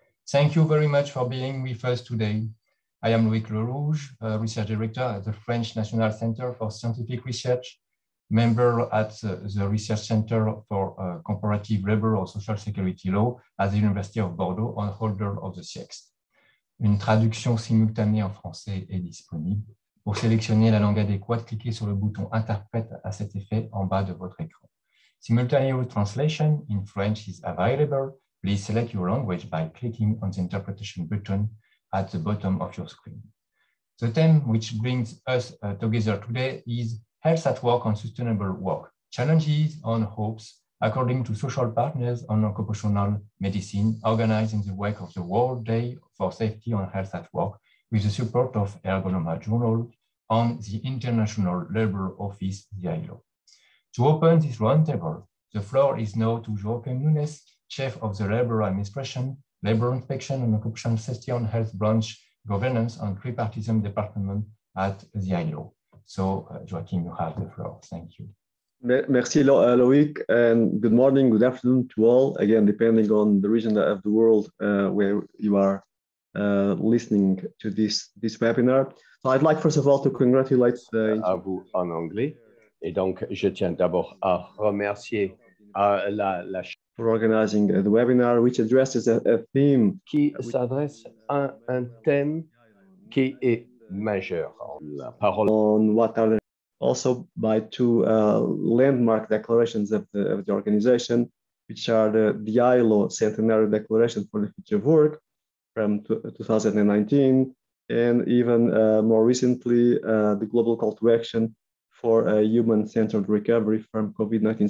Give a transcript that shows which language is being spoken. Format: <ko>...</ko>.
<en>Thank you very much for being with us today. I am Loïc, Research Director at the French National Center for Scientific Research, member at the Research Center for Comparative Labor or Social Security Law at the University of Bordeaux and holder of the CIECST.</en> <fr>Une traduction simultanée en français est disponible. Pour sélectionner la langue adéquate, cliquez sur le bouton Interprète à cet effet en bas de votre écran.</fr> <en>Simultaneous translation in French is available. Please select your language by clicking on the interpretation button at the bottom of your screen. The theme which brings us together today is Health at Work and Sustainable Work, Challenges and Hopes According to Social Partners on Occupational Medicine, organized in the wake of the World Day for Safety and Health at Work, with the support of Ergonoma Journal and the International Labour Office, the ILO. To open this roundtable, the floor is now to Joaquim Nunes, Chief of the Labour Administration, Labour Inspection and Occupational Safety and Health Branch Governance and Tripartism Department at the ILO. So, Joaquim, you have the floor. Thank you. Merci, Loïc, and good morning, good afternoon to all. Again, depending on the region of the world where you are listening to this webinar. So I'd like, first of all, to congratulate the...</en> <fr>À vous en anglais. Et donc, je tiens d'abord à remercier la...</fr> <en>For organizing the webinar, which addresses a theme...</en> <fr>Qui s'adresse à un thème qui est majeur. La parole...</fr> <en>On what are the... Also by two landmark declarations of the organization, which are the ILO Centenary Declaration for the Future of Work from 2019, and even more recently, the Global Call to Action for a Human-Centered Recovery from COVID-19.</en>